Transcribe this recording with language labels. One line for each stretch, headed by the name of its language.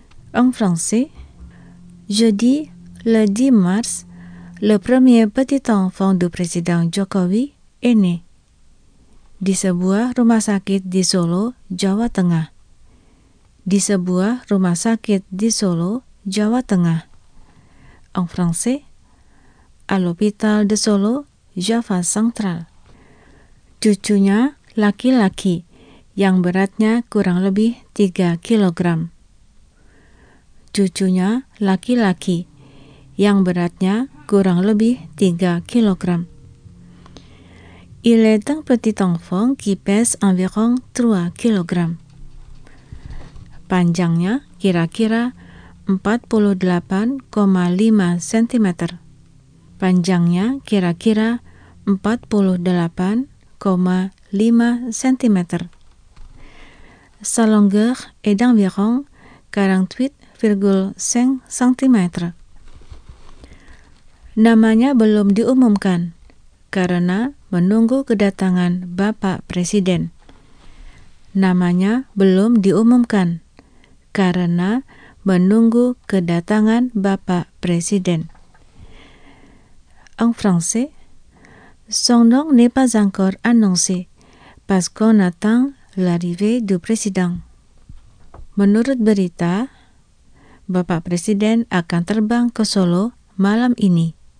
French: En français, jeudi le 10 mars, le premier petit enfant du président Jokowi est né.
Indonesian: Di sebuah rumah sakit di Solo, Jawa Tengah. Di sebuah rumah sakit di Solo, Jawa Tengah.
French: En français, à l'hôpital de Solo, Java Central.
Indonesian: Cucunya laki-laki yang beratnya kurang lebih 3 kg. Cucunya laki-laki yang beratnya kurang lebih 3 kg.
French: Il est un petit enfant qui pèse environ 3 kg.
Indonesian: Panjangnya kira-kira 48,5 cm. Panjangnya kira-kira 48,5 cm.
French: Sa longueur est d'environ 48,5 cm.
Indonesian: Namanya belum diumumkan karena menunggu kedatangan Bapak Presiden. Namanya belum diumumkan karena menunggu kedatangan Bapak Presiden.
French: En français, son nom n'est pas encore annoncé parce qu'on attend l'arrivée du président.
Indonesian: Menurut berita, Bapak Presiden akan terbang ke Solo malam ini.